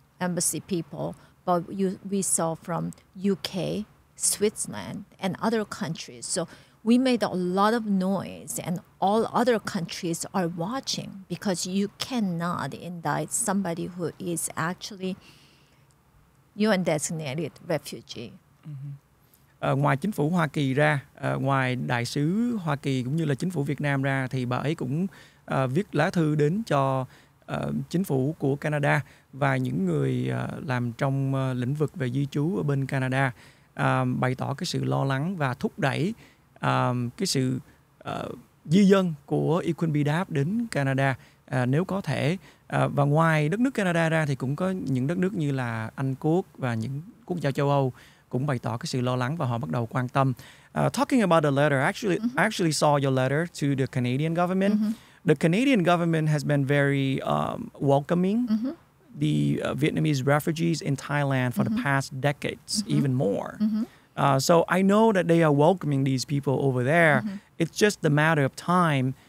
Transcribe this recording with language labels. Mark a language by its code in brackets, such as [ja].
[en] embassy people, but we saw from U.K., Switzerland, and other countries. So we made a lot of noise and all other countries are watching because you cannot indict somebody who is actually UN designated refugee. [vi] Ngoài chính phủ Hoa Kỳ ra, ngoài đại sứ Hoa Kỳ cũng như là chính phủ Việt Nam ra thì bà ấy cũng viết lá thư đến cho chính phủ của Canada và những người làm trong lĩnh vực về di trú ở bên Canada, bày tỏ cái sự lo lắng và thúc đẩy cái sự di dân của Yquin Bidap đến Canada nếu có thể. Và ngoài đất nước Canada ra thì cũng có những đất nước như là Anh Quốc và những quốc gia châu Âu cũng bày tỏ cái sự lo lắng và họ bắt đầu quan tâm. [en] Talking about the letter, I actually saw your letter to the Canadian government. Mm-hmm. The Canadian government has been very welcoming mm-hmm. the Vietnamese refugees in Thailand for mm-hmm. the past decades, mm-hmm. even more. Mm-hmm. So I know that they are welcoming these people over there. Mm-hmm. It's just the matter of time.